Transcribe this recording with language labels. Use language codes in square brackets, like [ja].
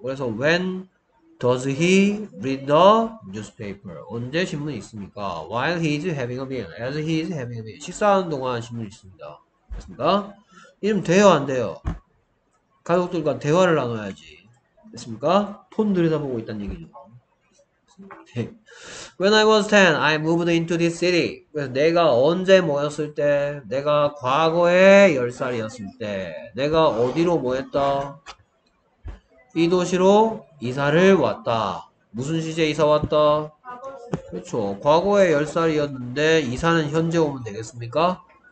[ko] 그래서 [en] when does he read the newspaper? [ko] 언제 신문 읽습니까? [en] While he is having a meal. [ko] As he is having a meal. 식사하는 동안 신문 읽습니다. 됐습니까? 이러면 돼요, 안 돼요? 가족들과 대화를 나눠야지. 됐습니까? 폰 들여다보고 있다는 얘기죠. [en] When I was 10, I moved into this city. [ko] 그래서 내가 언제 모였을 때, 내가 과거에 10살이었을 때, 내가 어디로 모였다? 이 도시로 이사를 왔다. 무슨 시제 이사 왔다? 그렇죠. 과거에 10살이었는데, 이사는 현재 오면 되겠습니까?